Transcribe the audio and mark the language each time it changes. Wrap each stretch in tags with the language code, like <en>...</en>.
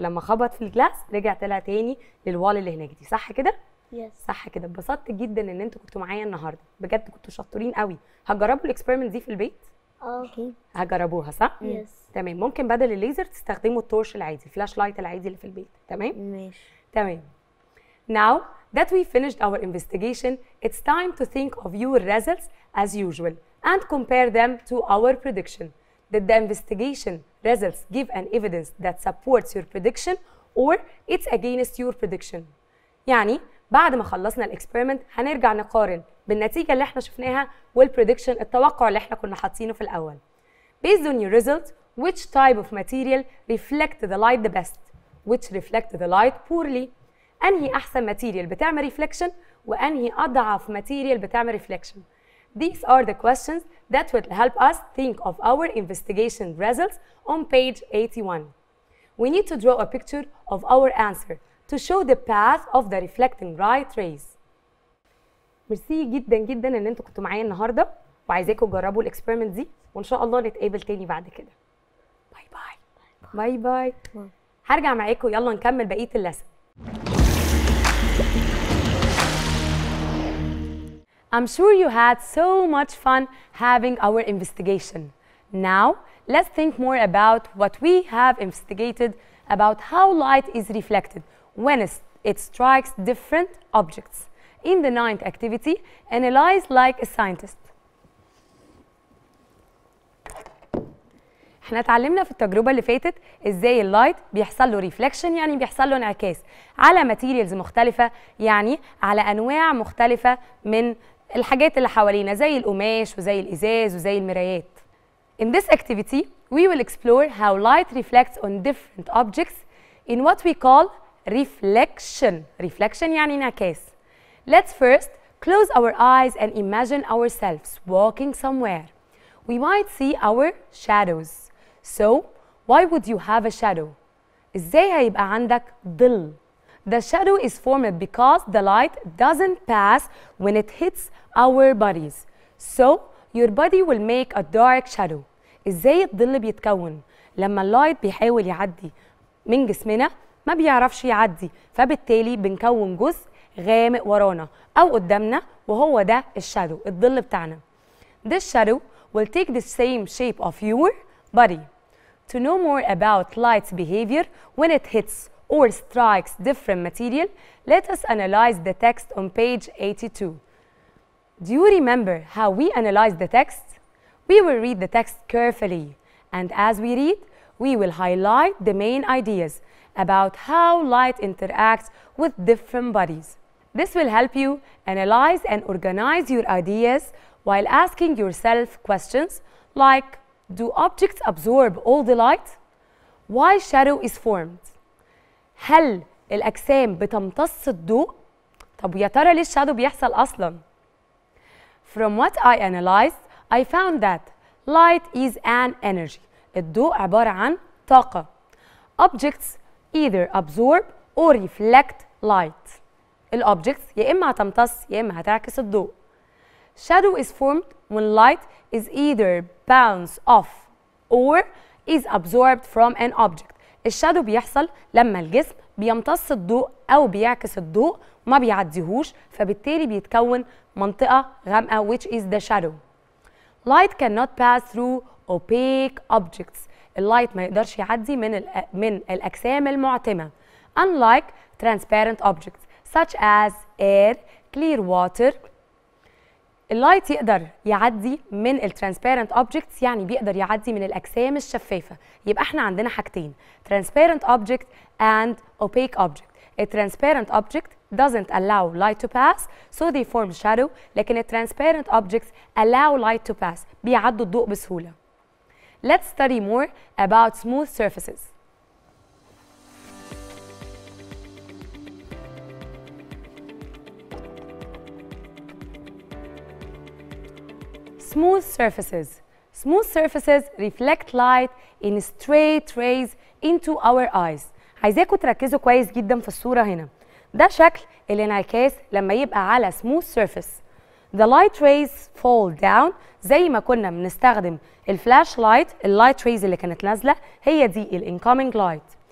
<ar>لما خبط في الجلاس رجع طلع تاني للوال اللي هناك دي صح كده؟</ar> <en>yes.</en> <ar>صح كده. اتبسطت جدا ان انتوا كنتوا معايا النهارده بجد كنتوا شاطرين قوي. هتجربوا الاكسبيرمنت دي في البيت؟ اوكي هجربوها صح؟</ar> <en>yes.</en> <ar>تمام. ممكن بدل الليزر تستخدموا التورش العادي فلاش لايت العادي اللي في البيت. تمام ماشي. تمام.</ar> <en>Now that we finished our investigation it's time to think of your results as usual and compare them to our prediction. Did the investigation results give an evidence that supports your prediction</en> <ar>or it's against your prediction؟ يعني بعد ما خلصنا الاكسبيرمنت هنرجع نقارن بالنتيجه اللي احنا شفناها والبريدكشن التوقع اللي احنا كنا حاطينه في الاول.</ar> <en>Based on your result, which type of material reflect the light the best? Which reflect the light poorly?</en> <ar>انهي احسن ماتيريال بتعمل ريفلكشن وانهي اضعف ماتيريال بتعمل ريفلكشن؟</ar> <en>These are the questions that will help us think of our investigation results on page 81. We need to draw a picture of our answer to show the path of the reflecting light rays.</en> <ar>مرسي جدا جدا ان انتوا كنتوا معايا النهارده وعايزاكم تجربوا الاكسبيرمنت دي وان شاء الله نتقابل تاني بعد كده. باي باي. باي باي. هرجع معاكم يلا نكمل بقيه اللسن.</ar> <en>I'm sure you had so much fun having our investigation. Now, let's think more about what we have investigated about how light is reflected when it strikes different objects. In the ninth activity, analyze like a scientist.</en> <ar>احنا اتعلمنا في التجربة اللي فاتت ازاي اللايت بيحصل له ريفلكشن يعني بيحصل له انعكاس على ماتيريالز مختلفة يعني على انواع مختلفة من الحاجات اللي حوالينا زي القماش وزي الإزاز وزي المرايات.</ar> <en>In this activity, we will explore how light reflects on different objects in what we call reflection.</en> <ar>Reflection يعني انعكاس.</ar> <en>Let's first close our eyes and imagine ourselves walking somewhere. we might see our shadows. So, why would you have a shadow?</en> <ar>إزاي هيبقى عندك ظل؟</ar> <en>The shadow is formed because the light doesn't pass when it hits our bodies. So, your body will make a dark shadow.</en> <ar>إزاي الظل بيتكون؟ لما اللايت بيحاول يعدي من جسمنا ما بيعرفش يعدي، فبالتالي بنكون جزء غامق ورانا أو قدامنا، وهو ده الشادو، الظل بتاعنا.</ar> <en>This shadow will take the same shape of your body. To know more about light's behavior when it hits or strikes different material, let us analyze the text on page 82. Do you remember how we analyzed the text? We will read the text carefully, and as we read, we will highlight the main ideas about how light interacts with different bodies. This will help you analyze and organize your ideas while asking yourself questions like, do objects absorb all the light? Why shadow is formed?</en> <ar>هل الأجسام بتمتص الضوء؟ طب يا ترى ليه الشادو بيحصل أصلا؟</ar> <en>From what I analyzed, I found that light is an energy.</en> <ar>الضوء عبارة عن طاقة.</ar> <en>Objects either absorb or reflect light.</en> <ar>الأوبجكتس يا إما هتمتص يا إما هتعكس الضوء.</ar> <en>Shadow is formed when light is either bounced off or is absorbed from an object.</en> <ar>الشادو بيحصل لما الجسم بيمتص الضوء أو بيعكس الضوء ما بيعديهوش، فبالتالي بيتكون منطقة غامقة</ar> <en>which is the shadow. Light cannot pass through opaque objects.</en> <ar>اللايت ما يقدرش يعدي من الأجسام المعتمة.</ar> <en>Unlike transparent objects such as air, clear water.</en> <ar>اللايت يقدر يعدي من الترانسبيرنت اوبجكتس، يعني بيقدر يعدي من الاجسام الشفافه. يبقى احنا عندنا حاجتين، ترانسبيرنت اوبجكت اند اوبيك اوبجكت. الترانسبيرنت اوبجكت</ar> <en>doesn't allow light to pass so they form shadow،</en> <ar>لكن الترانسبيرنت اوبجكتس</ar> <en>allow light to pass،</en> <ar>بيعدوا الضوء بسهوله.</ar> <en>Let's study more about smooth surfaces. Smooth surfaces. Smooth surfaces reflect light in straight rays into our eyes.</en> <ar>عايزاكم تركزوا كويس جدا في الصورة هنا. ده شكل الانعكاس لما يبقى على smooth surface.</ar> <en>The light rays fall down</en> <ar>زي ما كنا بنستخدم الفلاش لايت، اللايت rays اللي كانت نازلة هي دي الانكومينج لايت.</ar>